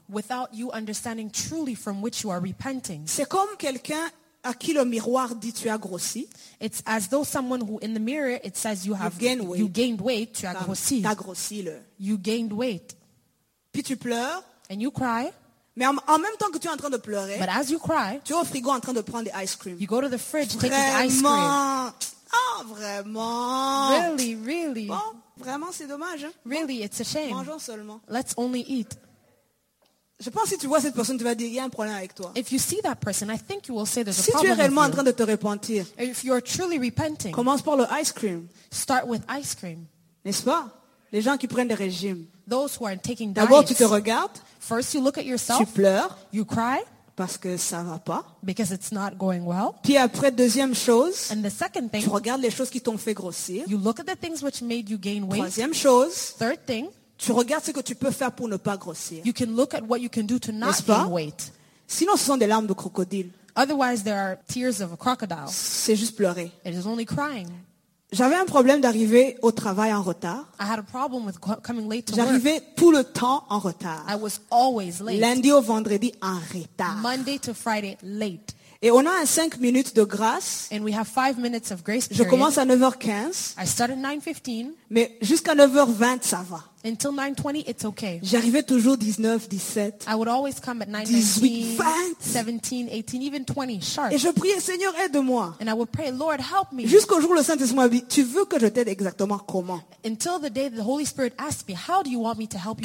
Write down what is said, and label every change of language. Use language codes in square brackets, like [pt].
[en] Without you understanding truly from which you are repenting. [fr] C'est comme quelqu'un à qui le miroir dit tu as grossi. [en] It's as though someone who in the mirror it says you have gained weight. You gained weight, [fr] tu as grossi. T'as grossi le. [en] You gained weight. [fr] Puis tu pleures. [en] And you cry. [fr] Mais en même temps que tu es en train de pleurer, [en] but as you cry, [fr] tu es au frigo en train de prendre des ice cream. [en] You go to the fridge [fr] vraiment, [en] taking ice cream. [fr] Ah, oh, vraiment. [en] Really, really. [fr] Bon, vraiment, c'est dommage. Hein? [en] Really, [fr] bon, [en] it's a shame. [fr] Mangeons seulement. [en] Let's only eat. [fr] Je pense que si tu vois cette personne, tu vas dire, il y a un problème avec toi. [en] If you see that person, I think you will say there's [fr] si [en] a problem. [fr] Si tu es réellement [en] with you, [fr] en train de te repentir, [en] if you are truly repenting, [fr] commence par le ice cream. [en] Start with ice cream. [fr] N'est-ce pas? Les gens qui prennent des régimes. [en] Those who are taking [fr] d'abord, [en] diets, [fr] tu te regardes. [en] First, you look at yourself. [fr] Tu pleures. [en] You cry. [fr] Parce que ça va pas. [en] Because it's not going well. [fr] Puis après, deuxième chose. [en] And the second thing. [fr] Tu regardes les choses qui t'ont fait grossir. [en] You look at the things which made you gain weight. [fr] Troisième chose. [en] Third thing. [fr] Tu regardes ce que tu peux faire pour ne pas grossir. [en] You can look at what you can do to not gain weight. [fr] Sinon, ce sont des larmes de crocodile. [en] Otherwise, there are tears of a crocodile. [fr] C'est juste pleurer. [en] It is only crying. [fr] J'avais un problème d'arriver au travail en retard. [en] I had a problem with coming late to [fr] j'arrivais [en] work. [fr] Tout le temps en retard. [en] I was always late. [fr] Lundi au vendredi en retard. [en] Monday to Friday late. [fr] Et on a un 5 minutes de grâce. [en] And we have 5 minutes of grace period. [fr] Je commence à 9h15. [en] I start at 9:15. [fr] Mais jusqu'à 9h20 ça va. [en] Until 9:20 it's okay. [fr] J'arrivais toujours 19, 17. [en] I would always come at 9:20, 17, 18, even 20 sharp. [fr] Et je priais Seigneur aide-moi. [en] And I would pray Lord help me. [fr] Jusqu'au jour où le Saint-Esprit m'a dit tu veux que je t'aide exactement comment? [en] Until the day the Holy Spirit asked me how do you want me to help you?